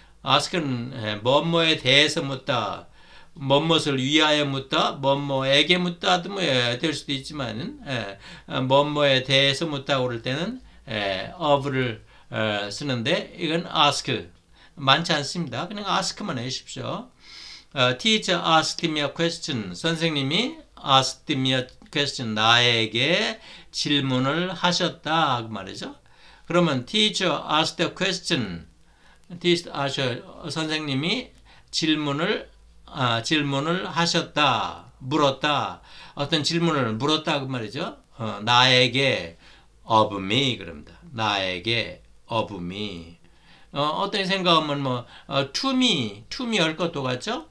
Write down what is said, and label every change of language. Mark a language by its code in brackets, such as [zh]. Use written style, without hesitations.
[ko] ask는 뭐뭐에 대해서 묻다. 뭐뭐를 위하여 묻다, 뭐뭐에게 묻다도 뭐예요. 될 수도 있지만은 뭐뭐에 대해서 묻다 그럴 때는 of를 쓰는데 이건 ask 많지 않습니다. 그냥 ask만 하십시오. [en] Teacher asked me a question. [ko] 선생님이 [en] asked me a question. [ko] 나에게 질문을 하셨다 그 말이죠. 그러면 [en] teacher asked a question. Teacher asked [ko] 선생님이 질문을 하셨다, 물었다. 어떤 질문을 물었다, 그 말이죠. 나에게, of me, 그럽니다. 나에게, of me. 어떤 생각하면, 뭐, to me 할 것도 같죠?